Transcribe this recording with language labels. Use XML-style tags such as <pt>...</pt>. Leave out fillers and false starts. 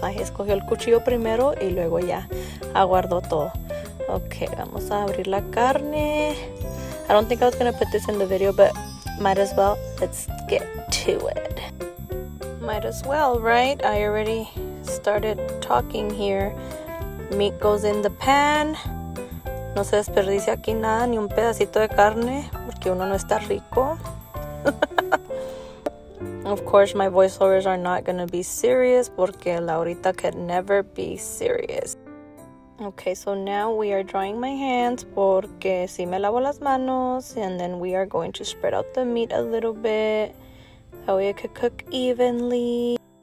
<es>Ay, escogió el cuchillo primero y luego ya aguardó todo. Okay, vamos a abrir la carne.</es> <en>I don't think I was going to put this in the video, but might as well. Let's get to it. Might as well, right? I already started talking here. Meat goes in the pan.</en> <es>No se desperdicia aquí nada, ni un pedacito de carne, porque uno no está rico.</es> <en>Of course, my voiceovers are not going to be serious,</en> <es>porque</es> <en>Laurita could never be serious. Okay, so now we are drying my hands</en> <es>porque si me lavo las manos,</es> <en>and then we are going to spread out the meat a little bit that way it could cook evenly.</en>